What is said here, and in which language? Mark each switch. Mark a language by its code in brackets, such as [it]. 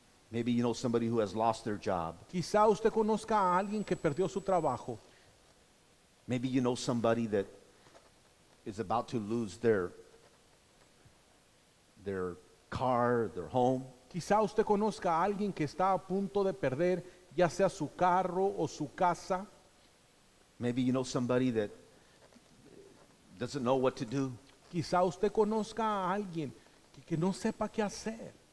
[en] Maybe you know somebody who has lost their job. [es] Quizá usted conozca a alguien que perdió su trabajo. [en] Maybe you know somebody that is about to lose their car, their home. [es] Quizá usted conozca a alguien que está a punto de perder ya sea su carro o su casa. [en] Maybe you know somebody that doesn't know what to do. [es] Quizá usted conozca a alguien que no sepa qué hacer.